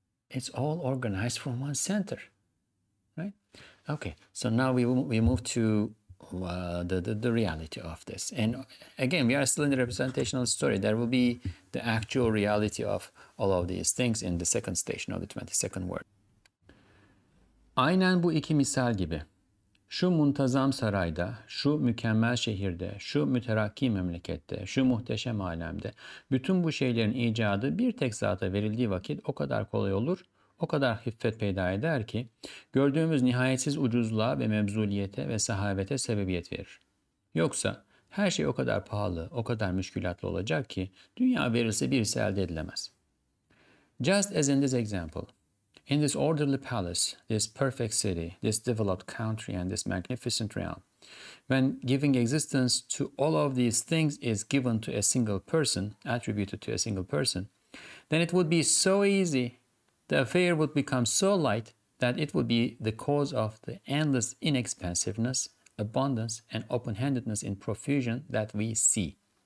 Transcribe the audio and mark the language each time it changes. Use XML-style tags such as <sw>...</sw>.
<en>It's all organized from one center, right? Okay, so now we move to the reality of this. And again, we are still in the representational story. There will be the actual reality of all of these things in the second station of the 22nd word.</en> <tr>Aynen bu iki misal gibi. Şu muntazam sarayda, şu mükemmel şehirde, şu müterakki memlekette, şu muhteşem alemde bütün bu şeylerin icadı bir tek zata verildiği vakit o kadar kolay olur, o kadar hiffet peyda eder ki gördüğümüz nihayetsiz ucuzluğa ve mebzuliyete ve sahavete sebebiyet verir. Yoksa her şey o kadar pahalı, o kadar müşkülatlı olacak ki dünya verilse birisi elde edilemez.</tr> <en>Just as in this example. In this orderly palace, this perfect city, this developed country, and this magnificent realm, when giving existence to all of these things is given to a single person, attributed to a single person, then it would be so easy, the affair would become so light that it would be the cause of the endless inexpensiveness, abundance, and open-handedness in profusion that we see.</en>